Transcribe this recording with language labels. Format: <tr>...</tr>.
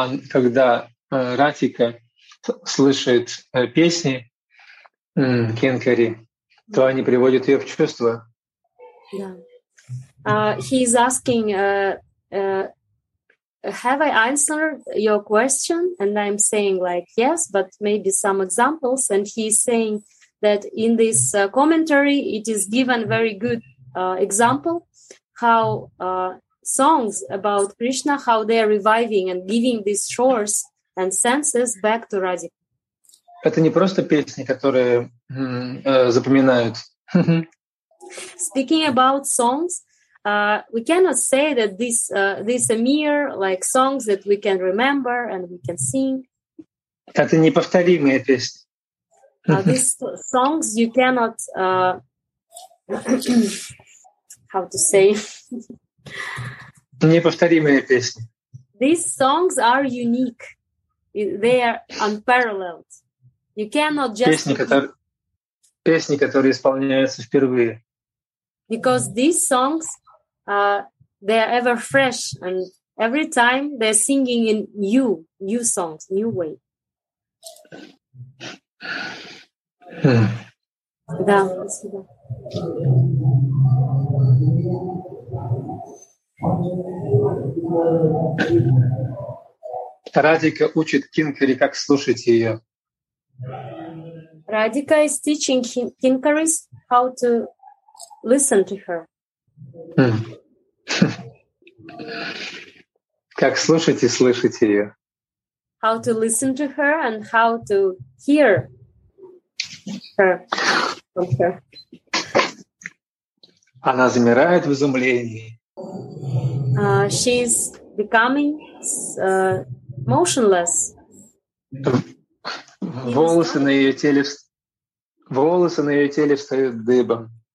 <ru>Когда Радхика слышит песни Кинкари, то они приводят ее в чувство.</ru> <en>Yeah. He is asking, have I answered your question? And I'm saying like yes, but maybe some examples. And he is saying that in this commentary it is given very good example how songs about Krishna, how they are reviving and giving these shores and senses back to Radhika.</en> <ru>Это не просто песни, которые запоминают.</ru> <en>Speaking about songs, we cannot say that this a mere like songs that we can remember and we can sing.</en> <ru>Это неповторимые песни.</ru> <en>These songs you cannot how to say.</en> <ru>Неповторимые песни.</ru> <en>These songs are unique. They are unparalleled. You cannot just</en> <ru>песни, которые... песни, которые исполняются впервые.</ru> <en>Because these songs, they are ever fresh, and every time they're singing in new songs, new way.</en> <ru>Да. Радика учит Кинкари, как слушать ее.</ru> <en>Radhika is teaching Kinkari how to listen to her.</en> <ru>Как слушать и слышать ее.</ru> <en>How to listen to her and how to hear her.</en> <ru>Она замирает в изумлении.</ru> <en>She's becoming motionless.</en> <ru>Волосы на ее теле встают дыбом.</ru>